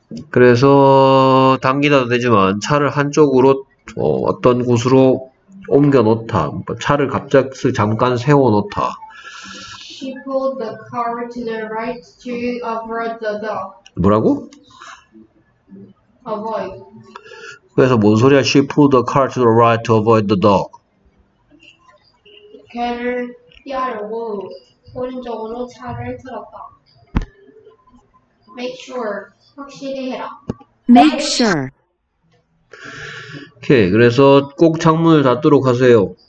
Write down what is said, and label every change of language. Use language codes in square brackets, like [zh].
[ko] 그래서 당기다도 되지만 차를 한쪽으로 어떤 곳으로 옮겨 놓다. 차를 갑자기 잠깐 세워 놓다. [en] She pulled the car to the right to avoid the dog. [ko] 뭐라고? [en] Avoid. [ko] 그래서 뭔 소리야? [en] She pulled the car to the right to avoid the dog. [ko] 걔를 피하려고 오른쪽으로 차를 틀었다. [en] Make sure. [ko] 확실히 해라. [en] Make sure. [ko] 오케이. 그래서 꼭 창문을 닫도록 하세요.